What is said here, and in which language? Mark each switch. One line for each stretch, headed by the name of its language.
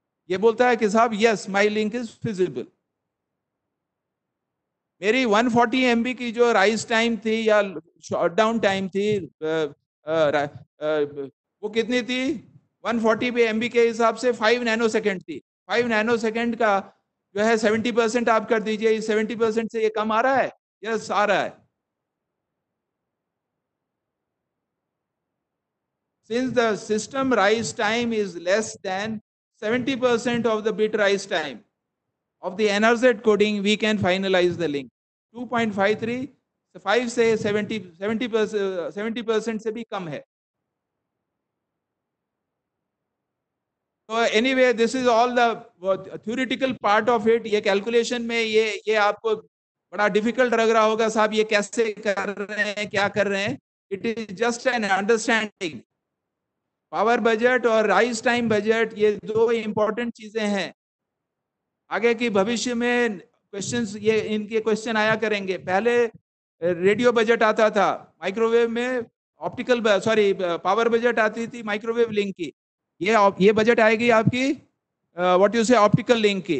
Hindi: ये बोलता है कि साहब
English: yes my link is feasible,
Hindi: मेरी 140 MB की जो राइज टाइम थी या शॉर्ट डाउन टाइम थी वो कितनी थी 140 MB के हिसाब से 5 नैनोसेकंड थी, 5 नैनोसेकंड का जो है 70% आप कर दीजिए, 70% से ये कम आ रहा है, यस आ रहा है.
English: Since the system rise time is less than 70% of the bit rise time of the NRZ coding, we can finalize the link.
Hindi: 2.53, 5 से 70% से भी कम है.
English: So anyway, this is all the theoretical part of it.
Hindi: ये calculation में ये आपको बड़ा difficult लग रहा होगा साहब, ये कैसे कर रहे हैं, क्या कर रहे हैं.
English: It is just an understanding.
Hindi: Power budget और राइज टाइम बजट ये दो इम्पोर्टेंट चीजें हैं. आगे की भविष्य में क्वेश्चंस ये इनके क्वेश्चन आया करेंगे. पहले रेडियो बजट आता था माइक्रोवेव में, ऑप्टिकल सॉरी पावर बजट आती थी माइक्रोवेव लिंक की, ये बजट आएगी आपकी व्हाट यू से ऑप्टिकल लिंक की.